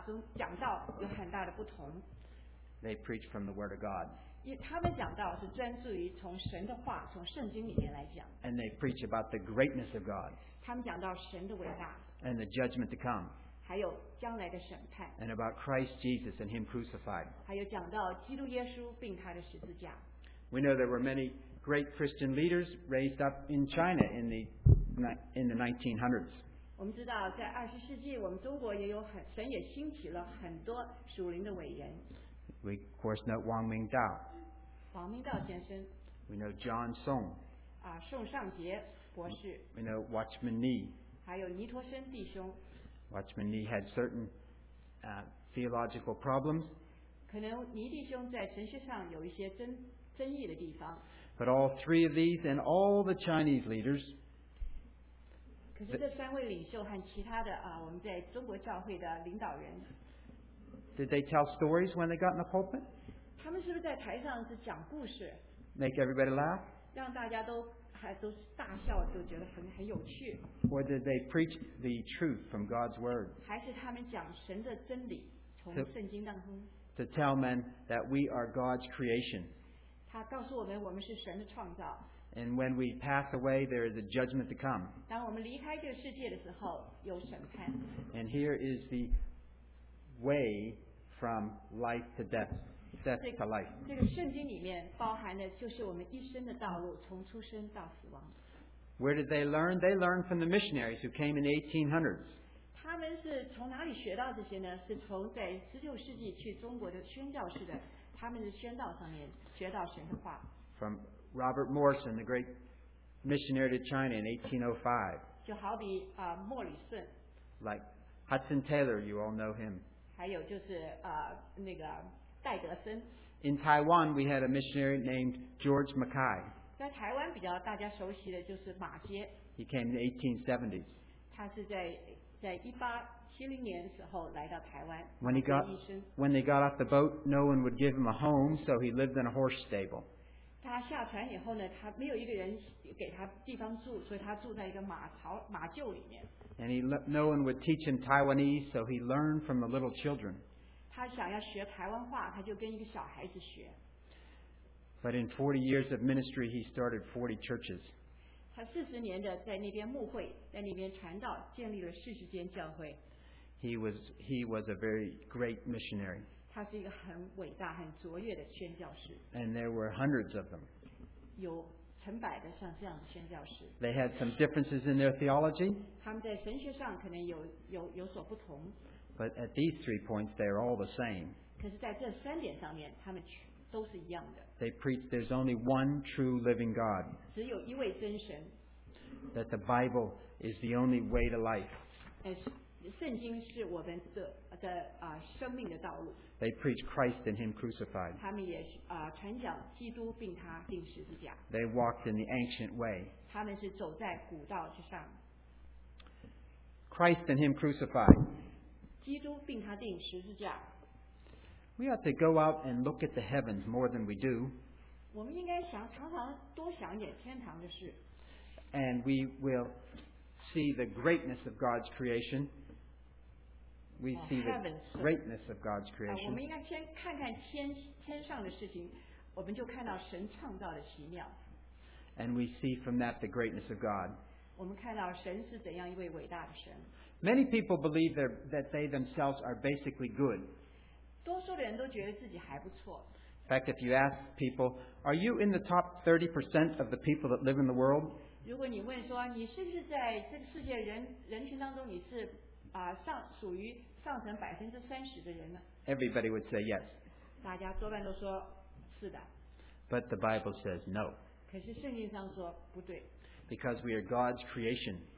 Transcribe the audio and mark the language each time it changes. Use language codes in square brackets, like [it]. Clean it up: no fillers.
[zh] 我可以知道，就是他们讲道的时候，和年轻的一些传道人讲话中讲道有很大的不同。 [en] They preach from the Word of God. [zh] 他们讲道是专注于从神的话，从圣经里面来讲。 [en] And they preach about the greatness of God. [zh] 他们讲到神的伟大。 [en] And the judgment to come. [zh] 还有将来的审判, [en] and about Christ Jesus and Him crucified. [zh] 还有讲到基督耶稣并他的十字架。 [en] We know there were many great Christian leaders raised up in China in the 1900s. [zh] 我们知道在20世纪，我们中国也有很神也兴起了很多属灵的伟人。 [en] We, of course, know Wang Ming Dao. [zh] Wang Ming Dao 先生. [en] We know John Song. [zh] Song Shang Jie 博士. [en] We know Watchman Nee. [zh] 还有尼托生弟兄. [en] Watchman Nee had certain theological problems. [zh] 可能尼弟兄在神学上有一些争议的地方. [en] But all three of these and all the Chinese leaders. [zh] 可是这三位领袖和其他的我们在中国教会的领导人。 [en] Did they tell stories when they got in the pulpit? [zh] 他们是不是在台上是讲故事? [en] Make everybody laugh? [zh] 让大家都大笑，就觉得很有趣。 [en] Or did they preach the truth from God's word? [zh] 还是他们讲神的真理，从圣经当中。 [en] To tell men that we are God's creation. [zh] 他告诉我们，我们是神的创造。 [en] And when we pass away, there is a judgment to come. [zh] 当我们离开这个世界的时候，有审判。 [en] And here is the way from life to death, death to life. [zh] 这个圣经里面包含的就是我们一生的道路，从出生到死亡。 [en] Where did they learn? They learned from the missionaries who came in the 1800s. [zh] 他们是从哪里学到这些呢？是从在19世纪去中国的宣教士的，他们的宣道上面学到神的话。 [en] From Robert Morrison, the great missionary to China in 1805. [zh] 就好比莫里森。 [en] Like Hudson Taylor, you all know him. [zh] 还有就是那个戴德森。 [en] In Taiwan, we had a missionary named George Mackay. [zh] 在台湾比较大家熟悉的就是马偕。 [en] He came in the 1870s. [zh] 他是在1870年时候来到台湾。 [en] When they got off the boat, no one would give him a home, so he lived in a horse stable. [zh] 他下船以后呢，他没有一个人给他地方住，所以他住在一个马厩里面。 [en] And no one would teach him Taiwanese, so he learned from the little children. [zh] 他想要学台湾话，他就跟一个小孩子学。 [en] But in 40 years of ministry, he started 40 churches. [zh] 他40年的在那边牧会，在那边传道，建立了40间教会。 [en] He was a very great missionary. [zh] 他是一个很伟大、很卓越的宣教士。 [en] And there were hundreds of them. [zh] 有成百的像这样的宣教士。 [en] They had some differences in their theology. [zh] 他们在神学上可能有所不同。 [en] But at these three points, they are all the same. [zh] 可是在这三点上面，他们都是一样的。 [en] They preach there's only one true living God. [zh] 只有一位真神。 [en] That the Bible is the only way to life. [zh] 圣经是我们的生命的道路。 [en] They preach Christ and Him crucified. [zh] 他们也传讲基督并他钉十字架。 [en] They walked in the ancient way. [zh] 他们是走在古道之上。 [en] Christ and Him crucified. [zh] 基督并他钉十字架。 [en] We ought to go out and look at the heavens more than we do. [zh] 我们应该常常多想点天堂的事。 [en] And we will see the greatness of God's creation. We see the greatness of God's creation. [zh] 我们应该先看看天上的事情，我们就看到神创造的奇妙。 [en] And we see from that the greatness of God. [zh] 我们看到神是怎样一位伟大的神。 [en] Many people believe that they themselves are basically good. [zh] 多数的人都觉得自己还不错。 [en] In fact, if you ask people, are you in the top 30% of the people that live in the world? [zh] 如果你问说你是不是在这个世界人群当中你是属于上层30%的人呢? [en] Everybody would say yes. [zh] 大家多半都说是的。 [en] But the Bible says no. [zh] 可是圣经上说不对。 [en] Because we are God's creation.